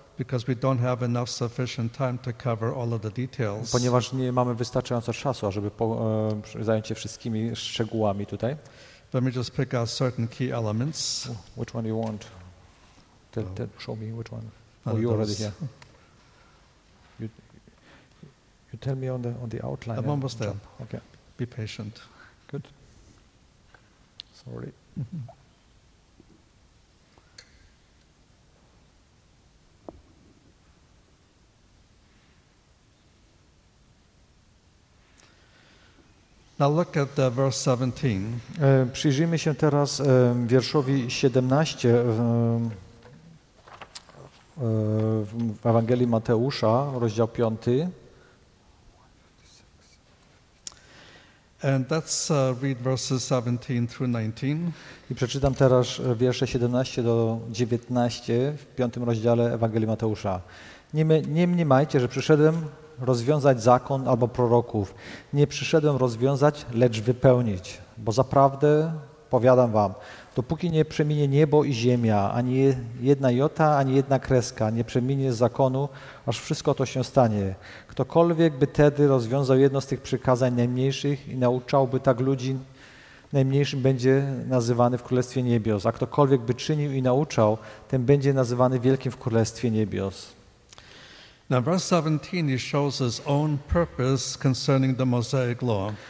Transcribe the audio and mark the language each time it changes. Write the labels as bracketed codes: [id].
[en] Because we don't have enough sufficient time to cover all of the details. [pl] Ponieważ nie mamy wystarczająco czasu, żeby zająć się wszystkimi szczegółami tutaj. [en] Let me just pick out certain key elements. Which one do you want? Show me which one. Oh, you already here. You tell me on the outline. I'm almost there. Okay. Be patient. Good. Sorry. Now look at the verse 17. [pl] Przyjrzyjmy się teraz wierszowi 17 w Ewangelii Mateusza, rozdział 5. [en] And that's read verses 17 through 19. [pl] I przeczytam teraz wiersze 17 do 19 w 5 rozdziale Ewangelii Mateusza. Nie mniemajcie, że przyszedłem rozwiązać zakon albo proroków. Nie przyszedłem rozwiązać, lecz wypełnić. Bo zaprawdę powiadam wam, dopóki nie przeminie niebo i ziemia, ani jedna jota, ani jedna kreska, nie przeminie zakonu, aż wszystko to się stanie. Ktokolwiek by tedy rozwiązał jedno z tych przykazań najmniejszych i nauczałby tak ludzi, najmniejszym będzie nazywany w Królestwie Niebios. A ktokolwiek by czynił i nauczał, ten będzie nazywany wielkim w Królestwie Niebios. [en] Now verse 17 he shows his own purpose concerning the Mosaic law.